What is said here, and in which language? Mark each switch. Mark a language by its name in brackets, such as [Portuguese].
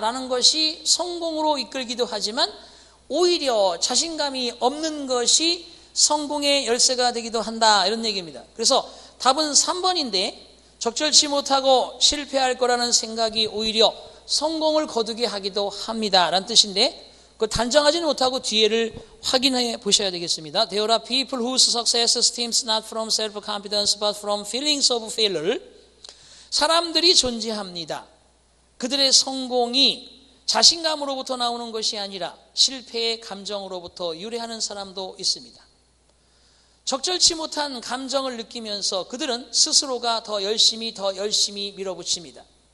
[Korean] 라는 것이 성공으로 이끌기도 하지만 오히려 자신감이 없는 것이 성공의 열쇠가 되기도 한다. 이런 얘기입니다. 그래서 답은 3번인데 적절치 못하고 실패할 거라는 생각이 오히려 성공을 거두게 하기도 합니다. 라는 뜻인데 그 단정하지는 못하고 뒤에를 확인해 보셔야 되겠습니다. [English] There are people whose success stems not from self-confidence but from feelings of failure. [Korean] 사람들이 존재합니다. 그들의 성공이 자신감으로부터 나오는 것이 아니라 실패의 감정으로부터 유래하는 사람도 있습니다. 적절치 못한 감정을 느끼면서 그들은 스스로가 더 열심히 밀어붙입니다.